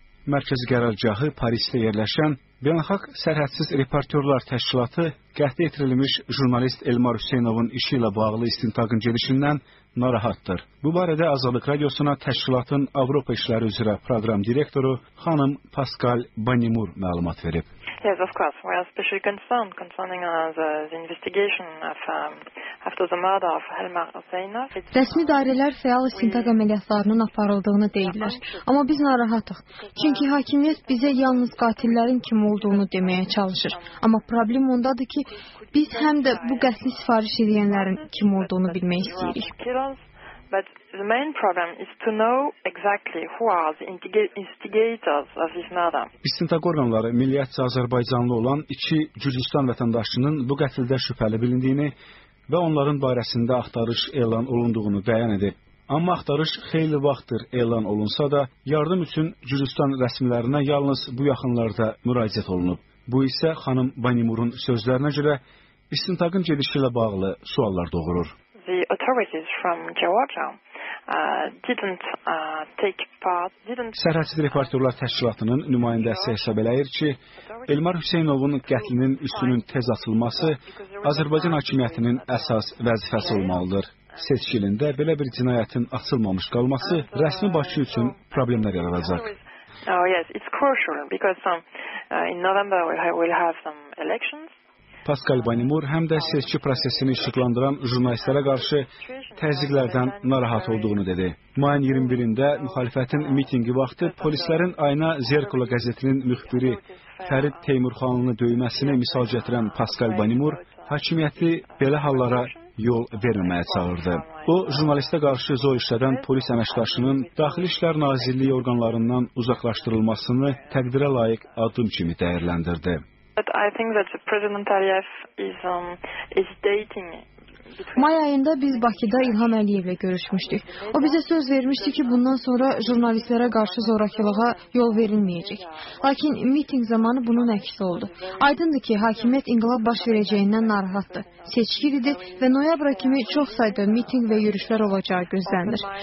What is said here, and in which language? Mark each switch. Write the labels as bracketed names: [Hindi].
[Azerbaijani] mərkəz qərargahı Parisdə yerləşən Beynəlxalq Sərhədsiz Reportyorlar Təşkilatı qətlə yetirilmiş jurnalist Elmar Hüseynovun işi ilə bağlı istintaqın gedişindən narahatdır. Bu barədə Azadlıq Radiosuna Təşkilatın Avropa İşləri üzrə proqram direktoru xanım Pascal Banimur məlumat verib. [English] Yes, of course. We are specially concerned concerning the investigation of after the murder of Elmar Hüseynov. [Azerbaijani] Rəsmi dairələr fəal istintaq əməliyyatlarının aparıldığını deyirlər. Amma biz narahatıq. Çünki hakimiyyət bizə yalnız qatillərin kim olduğunu deməyə çalışır. Amma problem ondadır ki, biz həm də bu qəsli sifariş edənlərin kim olduğunu bilmək istəyirik. [English] But the main problem is to know exactly who are the instigators of this murder. [Azerbaijani] İstintaq orqanları milliyyətçi Azərbaycanlı olan iki Gürcüstan vətəndaşının bu qətildə şübhəli bilindiyini və onların barəsində axtarış elan olunduğunu bəyan edib. Amma axtarış xeyli vaxtdır elan olunsa da, yardım üçün Gürcüstan rəsmilərinə yalnız bu yaxınlarda müraciət olunub. Bu isə xanım Banimurun sözlərinə görə istintaqın gedişi ilə bağlı suallar doğurur. [English] The authorities from Georgia didn't take part. [Azerbaijani] Sərhədsiz Reportyorlar Təşkilatının nümayəndəsi hesab eləyir ki, Elmar Hüseynovun qətlinin üstünün tez açılması Azərbaycan hakimiyyətinin əsas vəzifəsi olmalıdır. Seçkilində belə bir cinayətin açılmamış qalması rəsmi başçı üçün problemlər yaradacaq. [English] Oh yes, it's crucial because in November we'll have some elections. [Azerbaijani] Pascal Banimur həm də seçki prosesini işıqlandıran jurnalistlərə qarşı təzyiqlərdən narahat olduğunu dedi. Mayın 21-də müxalifətin mitingi vaxtı polislərin Ayna Zerkula qəzetinin müxbiri Fərid Teymurxanlını döyməsinə misal gətirən Pascal Banimur hakimiyyəti belə hallara yol verməyə çağırdı. O, jurnalistə qarşı zor işlədən polis əməkdaşının Daxili İşlər Nazirliyi orqanlarından uzaqlaşdırılmasını təqdirə layiq addım kimi dəyərləndirdi. [English] But I think that the President Aliyev is dating. [Azerbaijani] May ayında biz Bakıda İlham Əliyevlə görüşmüşdük. O bizə söz vermişdi ki, bundan sonra jurnalistlərə qarşı zorakılığa yol verilməyəcək. Lakin miting zamanı bunun əksi oldu. Aydındır ki, hakimiyyət inqilab baş verəcəyindən narahatdır. Seçkil idi və noyabra kimi çox sayda miting və yürüşlər olacağı gözlənir.